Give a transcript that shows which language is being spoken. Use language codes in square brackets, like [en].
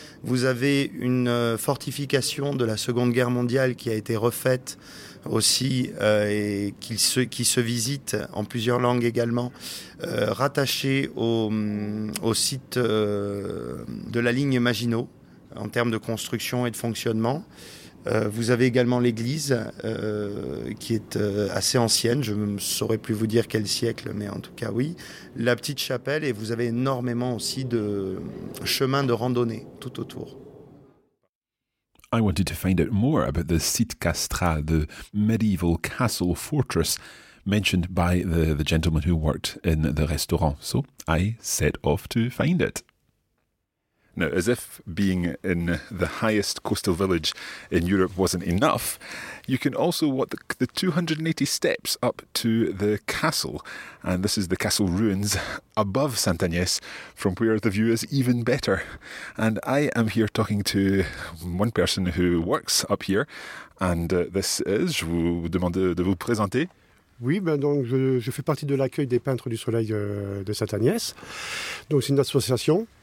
[fr] Vous avez une fortification de la Seconde Guerre mondiale qui a été refaite aussi et qui se visite en plusieurs langues également, rattachée au site de la ligne Maginot en termes de construction et de fonctionnement. Vous avez également l'église qui est assez ancienne, je ne saurais plus vous dire quel siècle, mais en tout cas oui. La petite chapelle et vous avez énormément aussi de chemins de randonnée tout autour. [en] I wanted to find out more about the site castral, the medieval castle fortress mentioned by the gentleman who worked in the restaurant. So I set off to find it. Now, as if being in the highest coastal village in Europe wasn't enough, you can also walk the 280 steps up to the castle. And this is the castle ruins above Saint-Agnès, from where the view is even better. And I am here talking to one person who works up here. And this is, [fr] je vous demande de vous présenter. Oui, donc je fais partie de l'accueil des peintres du soleil de Saint-Agnès. Donc c'est une association.